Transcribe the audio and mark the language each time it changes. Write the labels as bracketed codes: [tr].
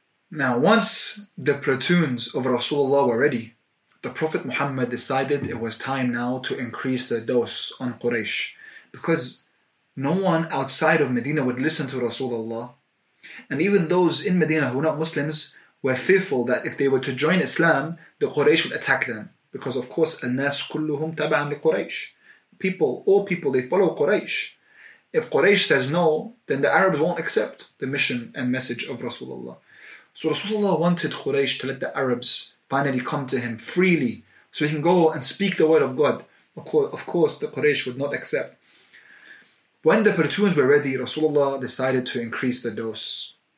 [en] Now, once the platoons of Rasulullah were ready, the Prophet Muhammad decided it was time now to increase the dose on Quraysh, because no one outside of Medina would listen to Rasulullah. And even those in Medina who were not Muslims were fearful that if they were to join Islam, the Quraysh would attack them. Because of course, [ar] الناس كلهم تبعا لقريش. [en] People, all people, they follow Quraysh. If Quraysh says no, then the Arabs won't accept the mission and message of Rasulullah. So Rasulullah wanted Quraysh to let the Arabs finally come to him freely, so he can go and speak the word of God. Of course, the Quraysh would not accept. When the platoons were ready, Rasulullah decided to increase the dose.